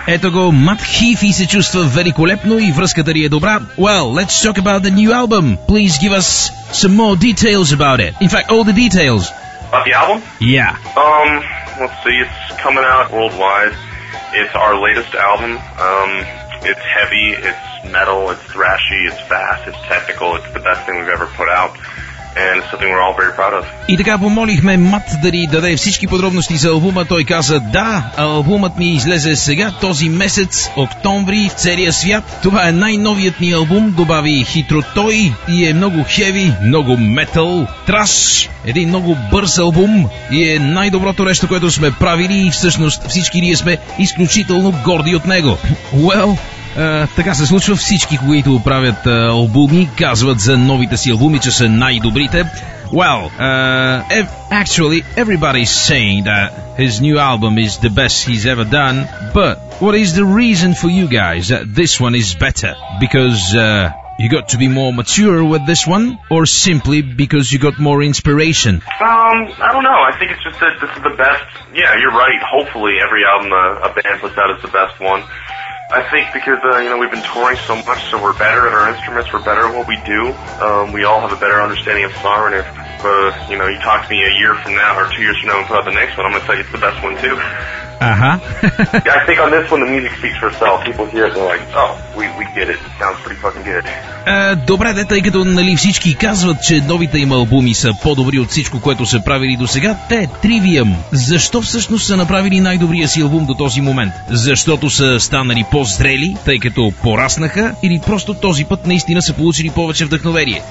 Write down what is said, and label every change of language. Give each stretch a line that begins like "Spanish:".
Bulgarian: Ето го, Мат Хифи се чувства великолепно и връзката ни е добра.
English: Well, let's talk about the new album. Please give us some more details about it. In fact, all the details. About the album? Yeah. Let's see, it's coming out worldwide. It's our latest album. It's heavy, it's metal, it's thrashy, it's fast, it's technical, it's the best thing we've ever put out. And it's something we're all very proud of.
Bulgarian: И така помолихме Мат да ни даде всички подробности за албума. Той каза да, албумът ми излезе сега, този месец, октомври, в целия свят. Това е най-новият ни албум, добави хитро той. И е много хеви, много метал, траш. Един много бърз албум. И е най-доброто нещо, което сме правили. И всъщност всички ние сме изключително горди от него.
English: Well...
Bulgarian: така се случва, всички, които правят албуми, казват за новите си албуми, че са най-добрите.
English: Well, actually, everybody's saying that his new album is the best he's ever done. But what is the reason for you guys that this one is better? Because you got to be more mature with this one? Or simply because you got more inspiration? I don't know. I think it's just that this is the best. Yeah, you're right. Hopefully every album a band puts out is the best one. I think because, we've been touring so much, so we're better at our instruments, we're better at what we do. We all have a better understanding of song, and if you talk to me a year from now or 2 years from now and put out the next one, I'm going to tell you it's the best one too. Uh-huh. I think on this one the music speaks for itself. People hear it and they're like, oh, we get it. It sounds pretty fucking good.
Bulgarian: Добре, де, тъй като нали всички казват, че новите им албуми са по-добри от всичко, което са правили до сега, те, Trivium, защо всъщност са направили най-добрия си албум до този момент? Защото са станали по-зрели, тъй като пораснаха, или просто този път наистина са получили повече вдъхновение?